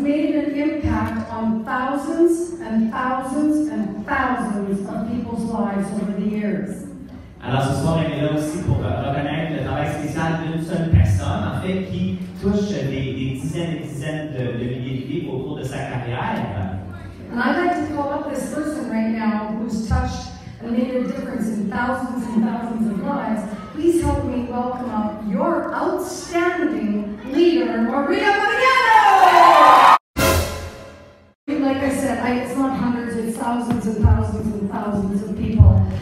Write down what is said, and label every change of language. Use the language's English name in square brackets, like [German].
[English] Thousands and thousands and thousands of people's lives over the years. [French] Alors ce soir, on est là aussi pour reconnaître le travail spécial d'une seule personne, en fait, qui touche des dizaines et des dizaines de milliers de vies autour de sa carrière. [English] And I'd like to call up this person right now who's touched and made a difference in thousands of lives. Please help me welcome up your outstanding leader, Maria Mariano! Like I said, it's not hundreds, it's thousands and thousands and thousands of people.